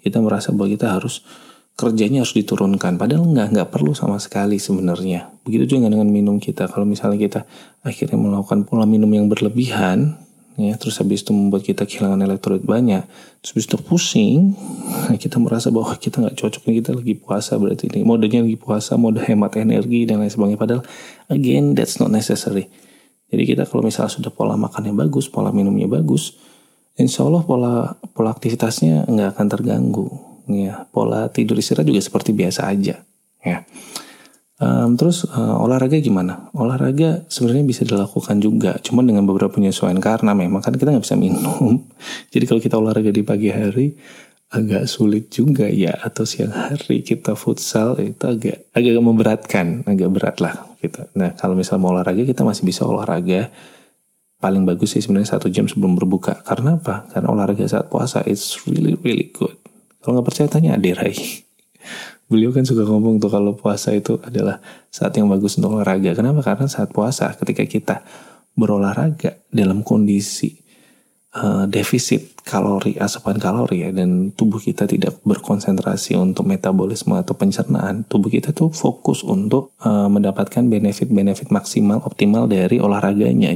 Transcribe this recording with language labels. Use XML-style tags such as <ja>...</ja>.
<id>Kita merasa bahwa kita harus kerjanya harus diturunkan. Padahal nggak perlu sama sekali sebenarnya. Begitu juga dengan minum kita. Kalau misalnya kita akhirnya melakukan pola minum yang berlebihan, ya, terus habis itu membuat kita kehilangan elektrolit banyak, terus habis itu pusing, kita merasa bahwa kita nggak cocok, kita lagi puasa berarti ini. Modenya lagi puasa, mode hemat energi dan lain sebagainya. Padahal,</id> <en>again, that's not necessary.</en> <id>Jadi kita kalau misalnya sudah pola makannya bagus, pola minumnya bagus, insya Allah pola aktivitasnya nggak akan terganggu. Ya, pola tidur istirahat juga seperti biasa aja ya. Terus olahraga gimana? Olahraga sebenarnya bisa dilakukan juga, cuman dengan beberapa penyesuaian, karena memang kan kita gak bisa minum. Jadi kalau kita olahraga di pagi hari agak sulit juga ya, atau siang hari kita futsal itu agak memberatkan, agak berat lah kita. Nah kalau misalnya mau olahraga, kita masih bisa olahraga. Paling bagus sih sebenarnya 1 jam sebelum berbuka. Karena apa? Karena olahraga saat puasa</id> <en>it's really really good.</en> <id>Kalau gak percaya, tanya Ade Rai. Beliau kan suka ngomong tuh kalau puasa itu adalah saat yang bagus untuk olahraga. Kenapa? Karena saat puasa ketika kita berolahraga dalam kondisi defisit kalori, asupan kalori ya, dan tubuh kita tidak berkonsentrasi untuk metabolisme atau pencernaan, tubuh kita tuh fokus untuk mendapatkan benefit-benefit maksimal, optimal dari olahraganya.</id>